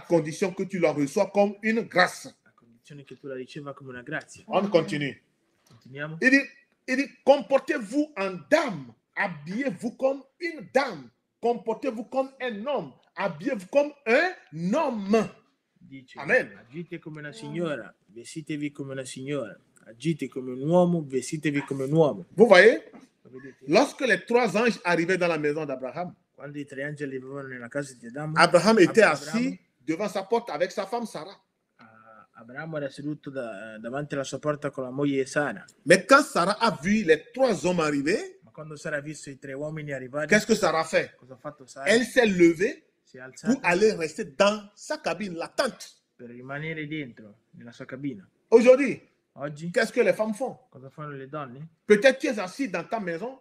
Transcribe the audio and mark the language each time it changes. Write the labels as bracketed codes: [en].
[fr] à condition que tu la reçois comme une grâce. [it] A condizione che tu la riceva come una grazia. [fr] On continue. [it] Continuiamo. [fr] Il dit, comportez-vous en dame, habillez-vous comme une dame, comportez-vous comme un homme, habillez-vous comme un homme. [it] Dice, amen. Agite come una signora, vestitevi come una signora. Agite come un uomo, vestitevi come un uomo. [fr] Vous voyez? Lorsque les trois anges arrivaient dans la maison d'Abraham, [it] quando i tre angeli vivevano nella casa di Adamo, [fr] Abraham était assis devant sa porte avec sa femme Sarah. [it] Abramo era seduto davanti alla sua porta con la moglie Sara. [fr] Mais quand Sarah a vu les trois hommes arriver, [it] ma quando Sara ha visto i tre uomini arrivare, [fr] qu'est-ce que Sarah fait? [it] Cosa ha fatto Sara? [fr] Elle s'est levée pour aller rester dans sa cabine, la tente. [it] Per rimanere dentro, nella sua cabina. [fr] Aujourd'hui, [it] oggi, [fr] qu'est-ce que les femmes font? [it] Cosa fanno le donne? [fr] Peut-être tu es assis dans ta maison,